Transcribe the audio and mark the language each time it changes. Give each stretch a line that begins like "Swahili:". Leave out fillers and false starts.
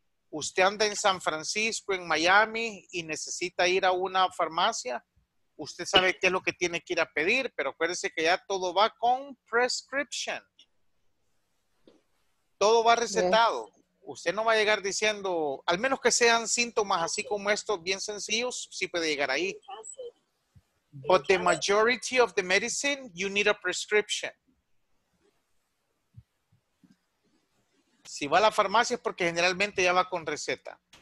Spanish: Usted anda en San Francisco, en Miami, y necesita ir a una farmacia. Usted sabe qué es lo que tiene que ir a pedir, pero acuérdese que ya todo va con prescription. Todo va recetado.
English: Yes.
Spanish: Usted no va a llegar diciendo, al menos que sean síntomas así como estos, bien sencillos, sí puede llegar ahí.
English: But the majority of the medicine, you need a prescription.
Spanish: Si va a la farmacia es porque generalmente ya va con receta.